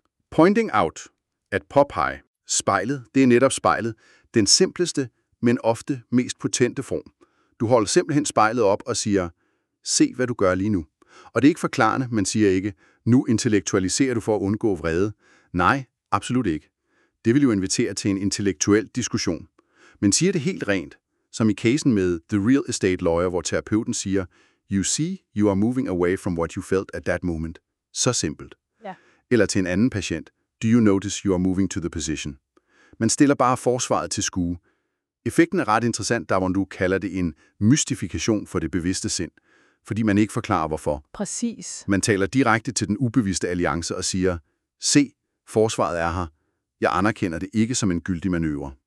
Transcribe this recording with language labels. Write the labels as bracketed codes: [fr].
[en] Pointing out, [da] at påpege, spejlet, det er netop spejlet, den simpleste, men ofte mest potente form. Du holder simpelthen spejlet op og siger, se hvad du gør lige nu. Og det er ikke forklarende, man siger ikke, nu intellektualiserer du for at undgå vrede. Nej, absolut ikke. Det vil jo invitere til en intellektuel diskussion. Men siger det helt rent, som i casen med The Real Estate Lawyer, hvor terapeuten siger, [en] You see, you are moving away from what you felt at that moment. [da] Så simpelt. Ja. Eller til en anden patient. [en] Do you notice you are moving to the position? [da] Man stiller bare forsvaret til skue. Effekten er ret interessant, der hvor du kalder det en mystifikation for det bevidste sind, fordi man ikke forklarer hvorfor. Præcis. Man taler direkte til den ubevidste alliance og siger, se, forsvaret er her. Jeg anerkender det ikke som en gyldig manøvre.